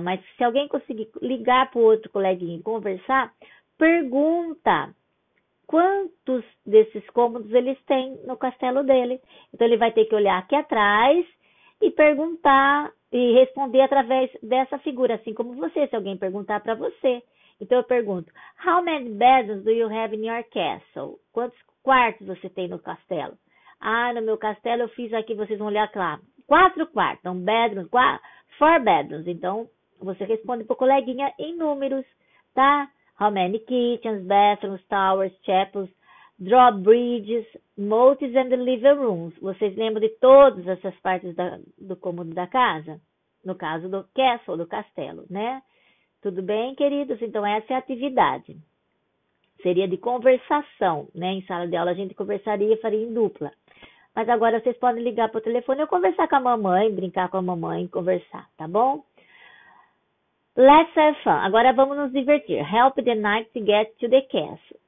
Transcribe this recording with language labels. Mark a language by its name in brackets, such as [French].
[Portuguese] Mas se alguém conseguir ligar para o outro coleguinha e conversar, pergunta quantos desses cômodos eles têm no castelo dele. Então, ele vai ter que olhar aqui atrás e perguntar. E responder através dessa figura, assim como você, se alguém perguntar para você. Então eu pergunto: [English] How many bedrooms do you have in your castle? [Portuguese] Quantos quartos você tem no castelo? Ah, no meu castelo eu fiz aqui, vocês vão olhar lá. Quatro quartos, um bedroom, quatro, [English] four bedrooms. [Portuguese] Então você responde para o coleguinha em números, tá? [English] How many kitchens, bathrooms, towers, chapels, drawbridges, moats and living rooms. [Portuguese] Vocês lembram de todas essas partes do cômodo da casa? No caso do castle, do castelo, né? Tudo bem, queridos? Então, essa é a atividade. Seria de conversação, né? Em sala de aula a gente conversaria, faria em dupla. Mas agora vocês podem ligar para o telefone ou conversar com a mamãe, brincar com a mamãe, conversar, tá bom? [English] Let's have fun. [Portuguese] Agora vamos nos divertir. [English] Help the knight to get to the castle.